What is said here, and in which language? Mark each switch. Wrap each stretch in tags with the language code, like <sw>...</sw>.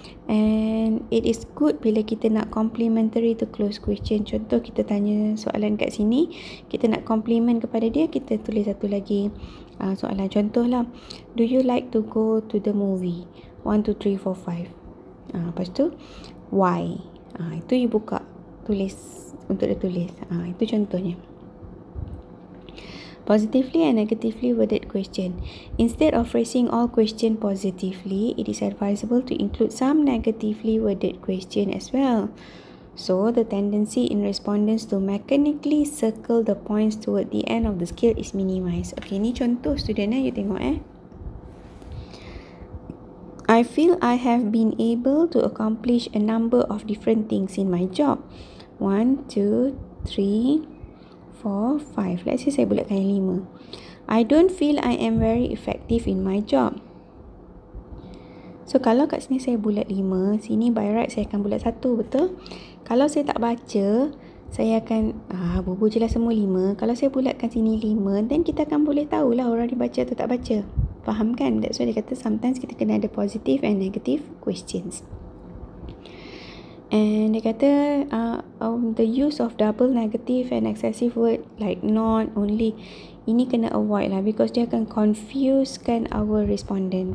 <en>And it is good</en> <ms>bila kita nak</ms> <en>complimentary to close question.</en> <ms>Contoh kita tanya soalan kat sini, kita nak compliment kepada dia, kita tulis satu lagi soalan.</ms> <en>Contohlah, do you like to go to the movie?</en> <ms>1, 2, 3, 4, 5. Lepas tu, why? Itu you buka tulis untuk dia tulis. Itu contohnya.</ms> <en>Positively and negatively worded question. Instead of phrasing all question positively, it is advisable to include some negatively worded question as well. So, the tendency in respondents to mechanically circle the points toward the end of the skill is minimized. Okay,</en> <ms>ni contoh student you tengok</ms> <en>I feel I have been able to accomplish a number of different things in my job. 1, 2, 3, 4, 5. Let's say</en> <ms>saya bulatkan yang 5.</ms> <en>I don't feel I am very effective in my job.</en> <ms>So, kalau kat sini saya bulat 5, sini by right saya akan bulat 1, betul? Kalau saya tak baca, saya akan bubu je lah semua 5. Kalau saya bulatkan sini 5, then kita akan boleh tahulah orang ni baca atau tak baca. Faham kan?</ms> <en>That's why</en> <ms>dia kata</ms> <en>sometimes</en> <ms>kita kena ada</ms> <en>positive and negative questions. And dia kata the use of double negative and excessive word like not, only,</en> <ms>ini kena avoid lah</ms> <en>because</en> <ms>dia akan confusekan</ms> <en>our respondent.</en>